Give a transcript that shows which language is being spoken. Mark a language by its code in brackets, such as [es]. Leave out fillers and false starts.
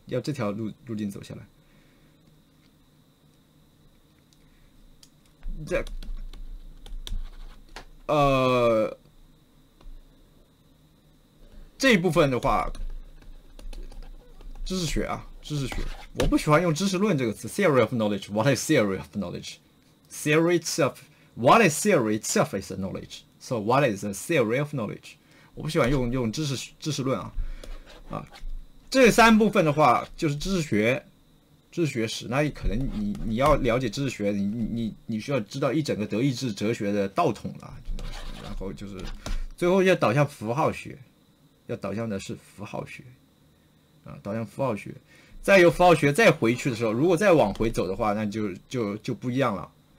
[zh] 要这条路径走下来，这，这一部分的话，知识学啊，知识学，我不喜欢用知识论这个词，theory of knowledge。 [en] What is theory of knowledge？Theory itself。 What is theory itself is a knowledge。 So what is a theory of knowledge？ [zh] 我不喜欢用知识论啊。这三部分的话就是知识学史。那你可能你要了解知识学，你需要知道一整个德意志哲学的道统了，然后就是最后要导向符号学。要导向的是符号学，啊，导向符号学，再由符号学再回去的时候，如果再往回走的话，那就不一样了。